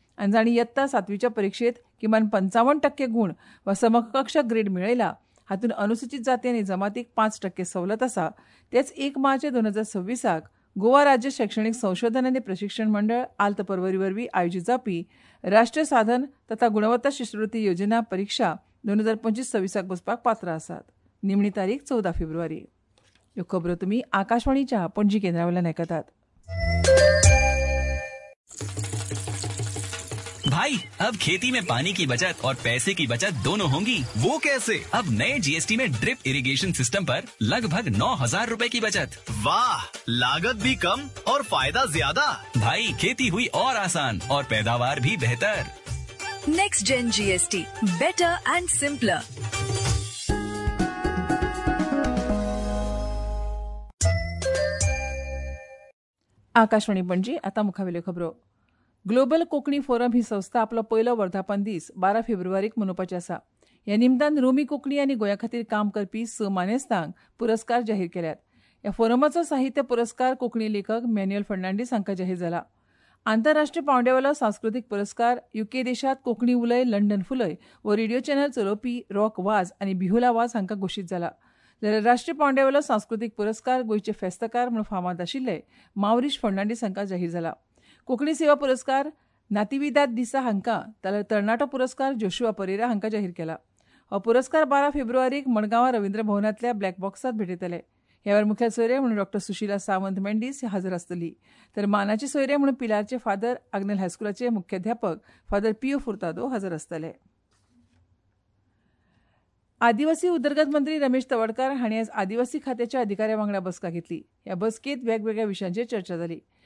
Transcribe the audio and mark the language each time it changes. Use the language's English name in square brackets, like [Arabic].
[Goan Konkani] आणि जाणी इयत्ता 7वीच्या परीक्षेत किमान 55% गुण व समकक्ष ग्रेड मिळेला, हातून अनुसूचित जाती आणि जमातीक 5% सवलत असा, तेच 1 मार्च 2026 गोवा राज्य शैक्षणिक संशोधन आणि प्रशिक्षण मंडळ आल्त परवरीवरवी आयोजित जावपी राष्ट्रीय साधन तथा गुणवत्ता शिष्यवृत्ती योजना परीक्षा 2025-26 बसपाक पात्र असात. निमणी तारीख 14 फेब्रुवारी. ह्यो खबरो तुम्ही आकाशवाणीच्या पणजी केंद्रावेळेला ऐकतात. [Hindi] भाई, अब खेती में पानी की बचत और पैसे की बचत दोनों होंगी. वो कैसे? अब नए GST में ड्रिप इरिगेशन सिस्टम पर लगभग 9,000 रुपए की बचत. वाह, लागत भी कम और फायदा ज्यादा. भाई, खेती हुई और आसान और पैदावार भी बेहतर. [English] Next gen GST, better and simpler. [Goan Konkani] Akashvani Panaji, आता मुखावेले खबरो. ग्लोबल कोंकणी फोरम ही संस्था आपलो पयलो वर्धापन दीस 12 फेब्रुवारीक मनोवपाचें आसा. ह्या निमतान रोमी कोंकणी आनी गोंया खातीर काम करपी 6 मानेस्तांक पुरस्कार जाहीर केल्यात. ह्या फोरमाचो साहित्य पुरस्कार कोंकणी लेखक मॅन्युअल फर्नांडीस हांकां जाहीर जाला. आंतरराष्ट्रीय पांवड्यावेलो सांस्कृतीक पुरस्कार UK देशांत कोंकणी उलय लंडन फुलय व रेडिओ चॅनल चलोवपी रॉक वाज आनी बिहुला वाज हांकां घोशीत जाला. जाल्यार राष्ट्रीय पांवड्यावेलो सांस्कृतीक पुरस्कार गोंयचे फेस्तकार म्हूण फामाद आशिल्ले मावरीश फर्नांडीस हांकां जाहीर जाला. कोंकणी सेवा पुरस्कार नातीविदाद दिसा हांकां, जाल्यार तरणाटो पुरस्कार जोशुआ परेरा हांकां जाहीर केला. हो पुरस्कार 12 फेब्रुवारीक मडगांवा रविंद्र भवनांतल्या ब्लॅक बॉक्सांत भेटयतले. ह्या वेळार मुखेल सोयरे म्हणून डॉ सुशिला सावंत मेंडीस हजर आसतली, तर मानाचे सोयरे म्हणून पिलारचे फादर आग्नेल हायस्कुलाचे मुख्याध्यापक फादर पियो फुर्तादो हजर आसतले. आदिवासी उदरगत मंत्री रमेश तवडकर हांणी आज आदिवासी खात्याच्या अधिकाऱ्या वांगडा बसका घेतली. ह्या बसकेंत वेगवेगळ्या विशयांचेर चर्चा जाली.